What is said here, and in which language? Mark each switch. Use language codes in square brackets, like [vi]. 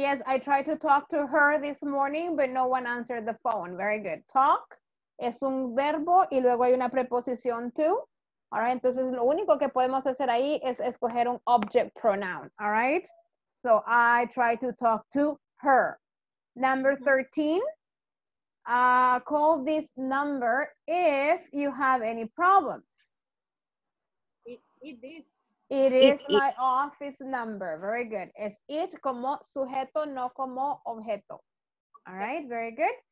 [en] Yes, I tried to talk to her this morning, but no one answered the phone. Very good. [es] Talk es un verbo y luego hay una preposición to. [en] All right, [es] entonces lo único que podemos hacer ahí es escoger un object pronoun. [en] All right, so I try to talk to her. Number 13, call this number if you have any problems. It is my office number. Very good. [es] Es it como sujeto, no como objeto. [en] All right, very good.